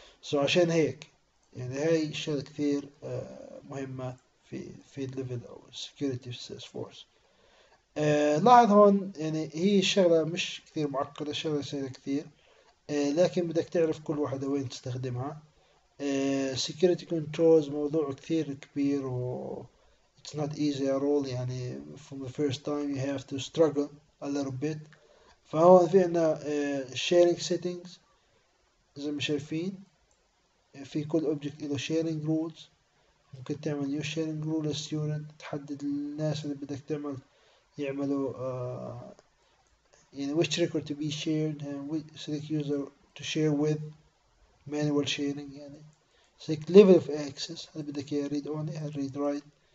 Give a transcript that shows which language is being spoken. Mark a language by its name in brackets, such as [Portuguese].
[Arabic] so عشان هيك يعني هاي شغلة كثير مهمة في field level أو security في Salesforce. لاحظ هون يعني هي شغلة مش كثير معقدة، شغلة سهلة كثير، لكن بدك تعرف كل واحدة وين تستخدمها. [English] Security controls [Arabic] موضوع كثير كبير و [English] it's not easy at all، يعني from the first time you have to struggle a little bit. [Arabic] فهون في عنا sharing settings زي ما شايفين، في كل object له sharing rules. ممكن تعمل new sharing rule للstudent، تحدد الناس اللي بدك تعمل يعملوا يعني [English] which record to be shared and which select user to share with. [Arabic] manual sharing يعني سيك ليفل اوف اكسس، هل بدك اياه ريد اونلي هل ريد رايت.